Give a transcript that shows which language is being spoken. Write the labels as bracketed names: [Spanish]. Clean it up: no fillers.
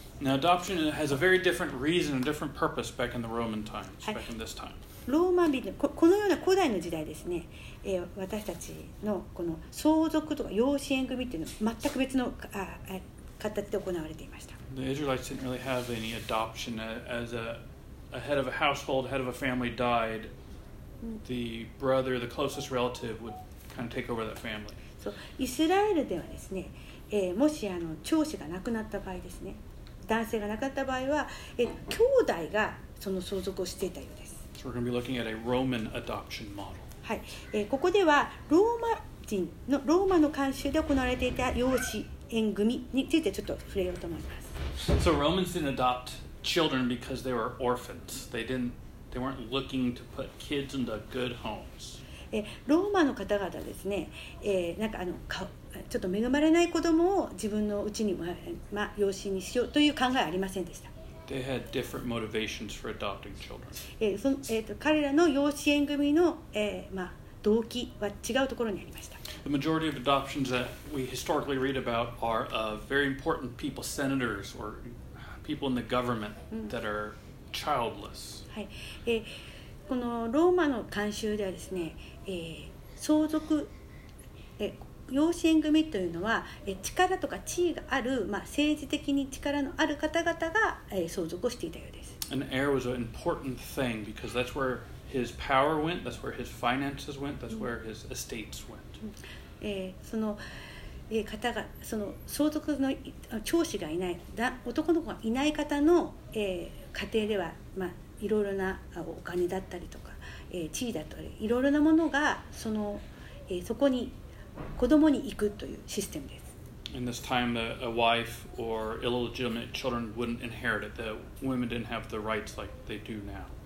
[English] Now, adoption has a very different reason and different purpose back in the Roman times, back in this time. [Japanese] ローマ人、このような古代の時代ですね、私たちのこの相続とか養子縁組っていうのは全く別の形で行われていました。 [English] The Israelites didn't really have any adoption as a head of a household, head of a family died. The brother, the closest relative would kind of take over that family. [Japanese] そう、イスラエルではですね、もしあの長子が亡くなった場合ですね、男性が亡くなった場合は、兄弟がその相続をしていたようです。 [English] So we're going to be looking at a Roman adoption model. [Japanese] はい、ここではローマ人のローマの慣習で行われていた養子縁組についてちょっと触れようと思います。 [English] So Romans didn't adopt children because they were orphans. They weren't looking to put kids into good homes. [Japanese] ローマの方々ですね、なんかあのかちょっと恵まれない子供を自分のうちに、ま、養子にしようという考えはありませんでした。 [English] They had different motivations for adopting children. [Japanese] 彼らの養子縁組の、ま、動機は違うところにありました。 [English] The majority of adoptions that we historically read about are of very important people, senators or people in the government that are childless.、う [Japanese] ん、はい、このローマの慣習ではですね、相続、養子縁組というのは力とか地位がある、まあ、政治的に力のある方々が相続をしていたようです。 [English] An heir was an important thing because that's where his power went, that's where his finances went, that's where his estates went. [Japanese] その方が、その相続の長子がいない、男の子がいない方の家庭では、まあ、いろいろなお金だったりとか地位だったり、いろいろなものがその、そこに子供に行くというシステムです。 [English] In this time, a wife or illegitimate children wouldn't inherit it. The women didn't have the rights like they do now.